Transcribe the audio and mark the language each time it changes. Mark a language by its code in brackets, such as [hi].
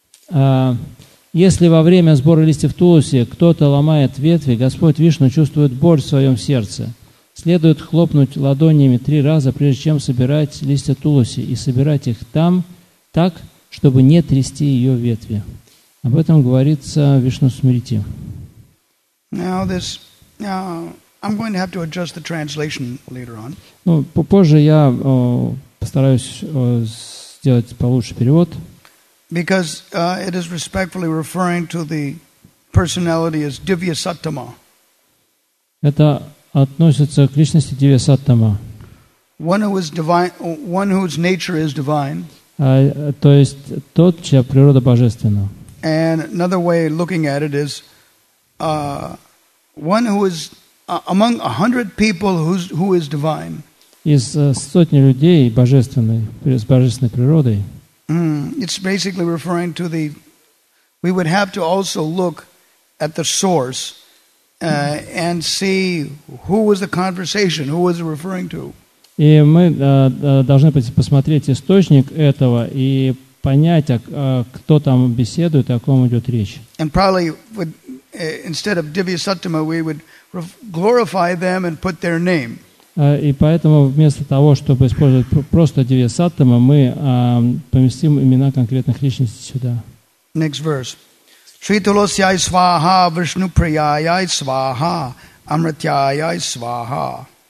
[ru] Если во время сбора листьев Туласи кто-то ломает ветви, Господь Вишну чувствует боль в своем сердце. Следует хлопнуть ладонями три раза, прежде чем собирать листья Туласи, и собирать их там, так, чтобы не трясти ее ветви. Об этом говорится в Вишну-смрити. [en] Now this, I'm going to have to adjust the translation later on. [ru] Ну, позже я постараюсь сделать получше перевод. [en] Because it is respectfully referring to the personality as Divya Sattama. [ru] Это относится к личности Дивья Саттама. [en] One whose nature is divine. [ru] То есть тот, чья природа божественна. [en] And another way of looking at it is one who is among 100 people who is divine. [ru] Из сотни людей божественной, с божественной природой. [en] It's basically referring to the we would have to also look at the source and see who was the conversation, who was it referring to. [ru] И мы должны посмотреть источник этого и понять, кто там беседует и о ком идет речь. [en] And probably would, instead of Divya Sattama, we would glorify them and put their name. [ru] И поэтому вместо того, чтобы использовать просто Дивья Саттама, мы поместим имена конкретных личностей сюда. [en] Next verse. [sa] Шри Тулосьяй Сваха, Вишну Прияяй Сваха, Амритяяй Сваха.